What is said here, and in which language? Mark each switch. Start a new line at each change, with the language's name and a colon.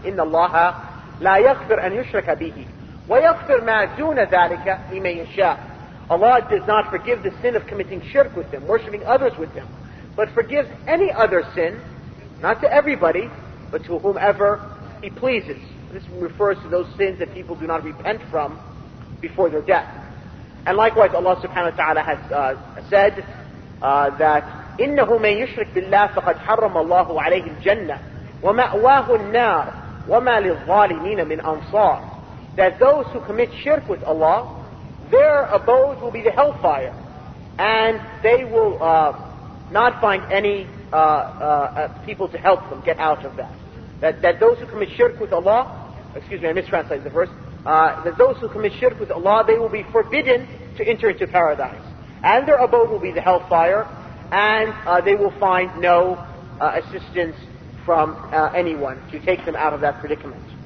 Arabic: إِنَّ اللَّهَ لَا يَغْفِرْ أَنْ يُشْرَكَ بِهِ وَيَغْفِرْ مَا دُونَ ذَلِكَ لِمَنْ يَشَاءُ.
English: Allah does not forgive the sin of committing shirk with Him, worshipping others with Him, but forgives any other sin, not to everybody, but to whomever He pleases. This refers to those sins that people do not repent from before their death. And likewise, Allah subhanahu wa ta'ala has said that
Arabic: إِنَّهُ مَنْ يُشْرِكْ بِاللَّهِ فَقَدْ حَرَّمَ اللَّهُ عَلَيْهِ الْجَنَّةِ وَمَأْوَاهُ النَّارِ وَمَا لِلظَّالِمِينَ مِنْ أَنصَارِ.
English: That those who commit shirk with Allah, their abode will be the hellfire, and they will not find any people to help them get out of that. That those who commit shirk with Allah, excuse me, I mistranslated the verse, that those who commit shirk with Allah, they will be forbidden to enter into paradise, and their abode will be the hellfire, and they will find no assistance from anyone to take them out of that predicament.